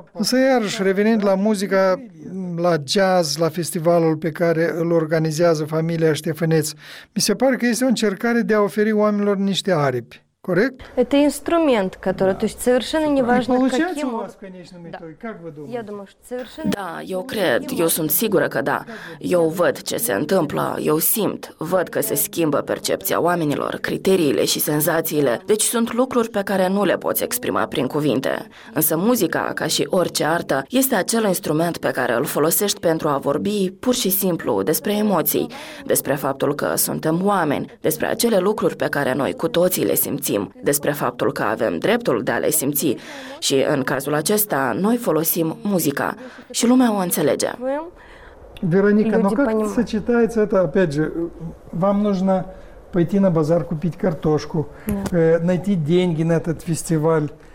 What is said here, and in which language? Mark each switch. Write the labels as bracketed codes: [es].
[ro] Însă, iarăși, revenind la muzica, la jazz, la festivalul pe care îl organizează familia Ștefăneț, mi se pare că este o încercare de a oferi oamenilor niște aripi. Corect? [ru] Это инструмент, который, то есть совершенно неважно каким. Получается у вас в конечном итоге, как вы думаете? Я думаю, что совершенно. Да, [ro] eu cred, eu sunt sigură că da. Eu văd ce se întâmplă, eu simt, văd că se schimbă percepția oamenilor, criteriile și senzațiile. Deci sunt lucruri pe care nu le poți exprima prin cuvinte. Însă muzica, ca și orice artă, este acel instrument pe care îl folosești pentru a vorbi pur și simplu despre emoții, despre faptul că suntem oameni, despre acele lucruri pe care noi cu toții le simțim. Despre faptul că avem dreptul de a le simți și în cazul acesta noi folosim muzica și lumea o înțelege. [ru] Veronica, no как сочетается это, опять же, вам нужно пойти на базар купить картошку, найти деньги на этот фестиваль.